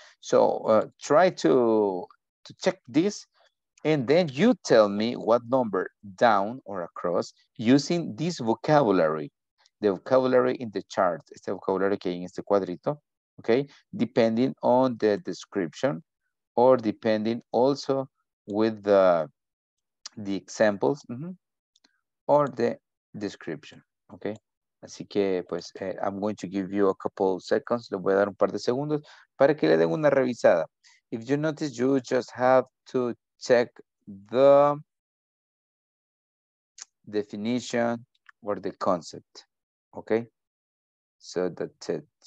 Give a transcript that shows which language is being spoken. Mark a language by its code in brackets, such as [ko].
[en] So try to check this, and then you tell me what number, down or across, using this vocabulary, the vocabulary in the chart, [es] este vocabulario que hay en este cuadrito, [en] okay, depending on the description, or depending also with the examples, mm-hmm, or the description, okay? [es] Así que, pues, [en] I'm going to give you a couple seconds. [es] Le voy a dar un par de segundos para que le den una revisada. [en] If you notice, you just have to check the definition or the concept, okay? So that's it.